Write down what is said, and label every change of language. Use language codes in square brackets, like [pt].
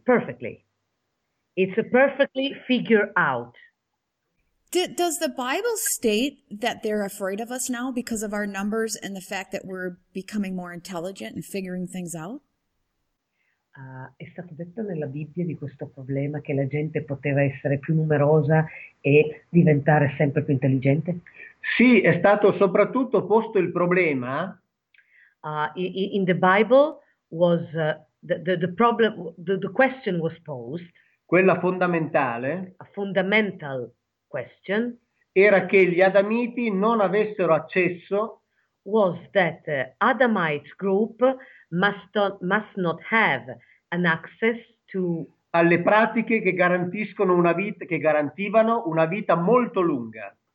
[en] perfectly. It's a perfectly figure out. Does the Bible state that they're afraid of us now because of our numbers and the fact that we're becoming more intelligent and figuring things out? [it] È stato detto nella Bibbia di questo problema che la gente poteva essere più numerosa e diventare sempre più intelligente? Sì, è stato soprattutto posto il problema. [en] In the Bible was the problem, the question was posed, [it] Quella fondamentale [en] a fundamental question [it] era che gli Adamiti non avessero accesso [en] was that Adamite group must not have an access to [it] alle pratiche che garantiscono una vita, che garantivano una vita molto lunga.